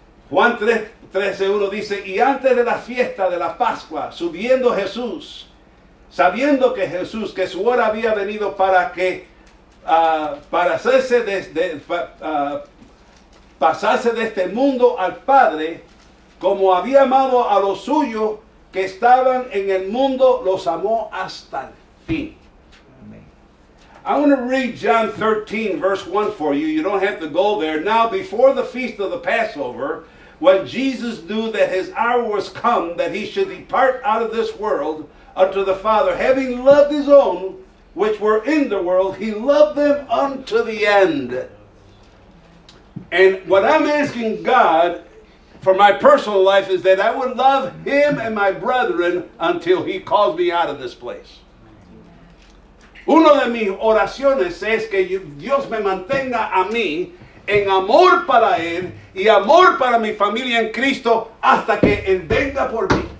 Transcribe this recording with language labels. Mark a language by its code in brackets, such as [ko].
[es] Juan 13:1 dice, y antes de la fiesta de la Pascua, subiendo Jesús, sabiendo que Jesús, que su hora había venido para que, pasarse de este mundo al Padre, como había amado a los suyos que estaban en el mundo, los amó hasta el fin. [en] I want to read John 13, verse 1 for you. You don't have to go there. Now, before the feast of the Passover, when Jesus knew that his hour was come, that he should depart out of this world unto the Father, having loved his own, which were in the world, he loved them unto the end. And what I'm asking God for my personal life is that I would love him and my brethren until he calls me out of this place. [es] Uno de mis oraciones es que Dios me mantenga a mí en amor para él y amor para mi familia en Cristo hasta que él venga por mí.